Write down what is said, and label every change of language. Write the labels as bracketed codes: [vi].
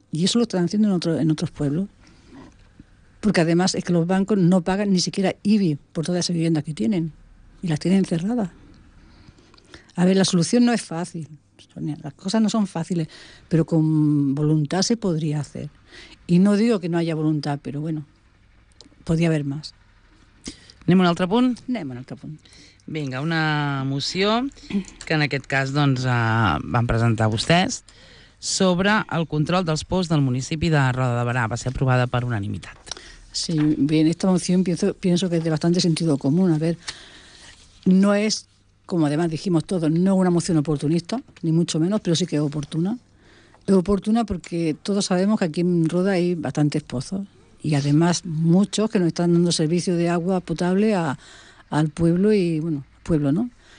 [es] Y eso lo están haciendo en otros pueblos. Porque además es que los bancos no pagan ni siquiera IBI por todas esas viviendas que tienen. Y las tienen cerradas. A ver, la solución no es fácil. Las cosas no son fáciles. Pero con voluntad se podría hacer. Y no digo que no haya voluntad, pero bueno, podría haber más. [ca] ¿Anem a un altre punt? Anem a un altre punt. Vinga, una moció que en aquest cas doncs, van presentar vostès sobre el control dels pous del municipi de Roda de Berà. Va ser aprovada per unanimitat. [es] Sí, bien, esta moción pienso que es de bastante sentido común. A ver, no es, como además dijimos todos, no una moción oportunista, ni mucho menos, pero sí que es oportuna. Es oportuna porque todos sabemos que aquí en Roda hay bastantes pozos y además muchos que nos están dando servicio de agua potable al pueblo y, bueno, pueblo, ¿no?